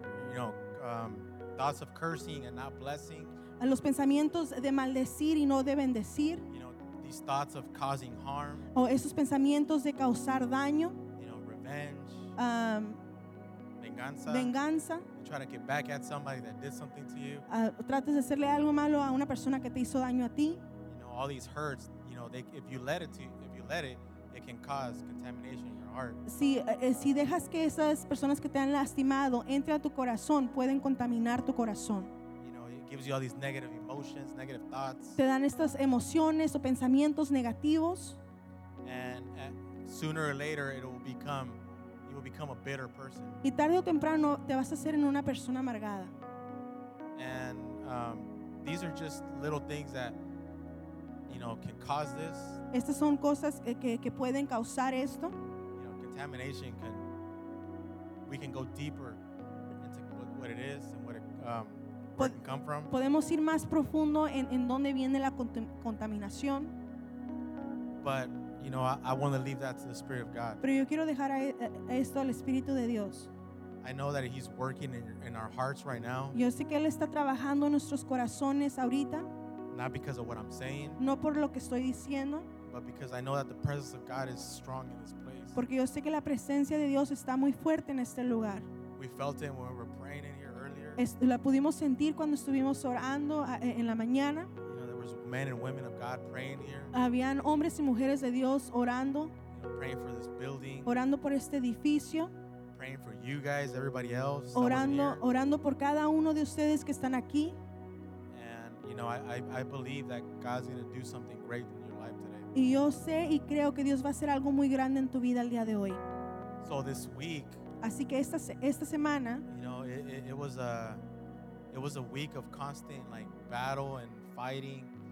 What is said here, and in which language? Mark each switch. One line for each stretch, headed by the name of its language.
English: You know, thoughts of cursing and not blessing.
Spanish: A los pensamientos de maldecir y no de bendecir.
English: You know, these thoughts of causing harm.
Spanish: O esos pensamientos de causar daño.
English: You know, revenge. Venganza.
Spanish: Venganza.
English: You try to get back at somebody that did something to you.
Spanish: Tratas de hacerle algo malo a una persona que te hizo daño a ti.
English: You know, all these hurts, you know, they, if you let it, it can cause contamination in your heart.
Spanish: Si dejas que esas personas que te han lastimado entre a tu corazón, pueden contaminar tu corazón.
English: You know, it gives you all these negative emotions, negative thoughts.
Spanish: Te dan estas emociones o pensamientos negativos.
English: And sooner or later, you will become a bitter person.
Spanish: Y tarde o temprano te vas a hacer en una persona amargada.
English: And these are just little things that, you know, can cause this.
Spanish: Estas son cosas que pueden causar esto.
English: You know, contamination can. We can go deeper into what it is and what it where it can come from.
Spanish: Podemos ir más profundo en dónde viene la contaminación.
English: But you know, I want to leave that to the Spirit of God.
Spanish: Pero yo quiero dejar esto al Espíritu de Dios.
English: I know that He's working in our hearts right now.
Spanish: Yo sé que Él está trabajando en nuestros corazones ahorita.
English: Not because of what I'm saying.
Spanish: No por lo que estoy diciendo.
English: But because I know that the presence of God is strong in this place.
Spanish: Porque yo sé que la presencia de Dios está muy fuerte en este lugar.
English: We felt it when we were praying in here earlier.
Spanish: La pudimos sentir cuando estuvimos orando en la mañana.
English: Men and women of God praying here.
Spanish: Habían hombres y mujeres de Dios orando.
English: You know, praying for this building.
Spanish: Orando por este edificio.
English: Praying for you guys, everybody else.
Spanish: Orando por cada uno de ustedes que están aquí.
English: And you know, I believe that God's going to do something great in your life today.
Spanish: Y yo sé y creo que Dios va a hacer algo muy grande en tu vida el día de hoy.
English: So this week.
Spanish: Así que esta semana.
English: You know, it was a week of constant like battle and fighting.